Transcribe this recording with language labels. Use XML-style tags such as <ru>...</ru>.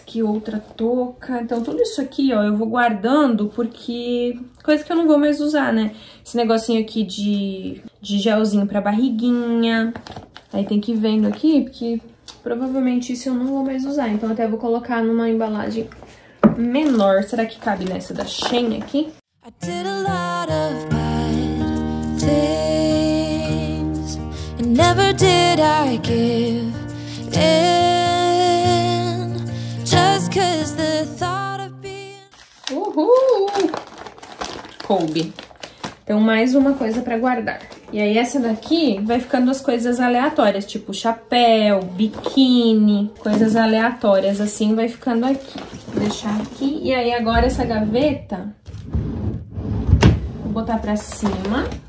<pt>Aqui outra touca. Então, tudo isso aqui, ó, eu vou guardando porque... Coisa que eu não vou mais usar, né? Esse negocinho aqui de gelzinho pra barriguinha. Aí tem que ir vendo aqui, porque provavelmente isso eu não vou mais usar. Então, até vou colocar numa embalagem... menor. Será que cabe nessa da Shein aqui?</pt> <en>I did a lot of bad things, and never did I give in, just cause the thought of being...</en> <pt>Uhul! Coube. Então, mais uma coisa pra guardar. E aí, essa daqui vai ficando as coisas aleatórias, tipo chapéu, biquíni, coisas aleatórias, assim, vai ficando aqui. Vou deixar aqui. E aí, agora, essa gaveta, vou botar pra cima.</pt>